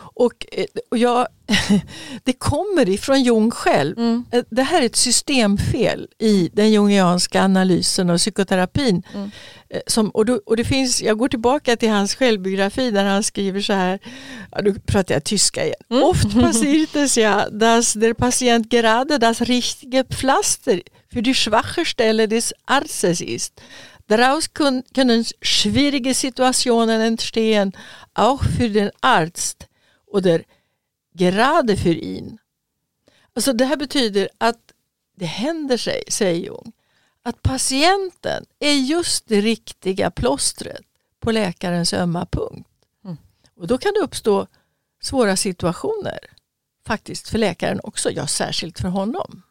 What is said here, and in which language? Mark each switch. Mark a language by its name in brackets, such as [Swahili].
[Swedish] Och jag, det kommer ifrån Jung själv. Mm. Det här är ett systemfel i den jungianska analysen och psykoterapin. Mm. Och det finns, jag går tillbaka till hans självbiografi där han skriver så här. Ja, nu pratar jag tyska igen. Mm. [German] Oft passiert es ja, dass der Patient gerade das richtige Pflaster für die schwache Stelle des Arztes ist. Daraus können schwierige Situationen entstehen, auch für den Arzt. Oder gerade für ihn. [Swedish] Alltså det här betyder att det händer sig, säger Jung, att patienten är just det riktiga plåstret på läkarens ömma punkt. Mm. Och då kan det uppstå svåra situationer faktiskt för läkaren också, ja, särskilt för honom.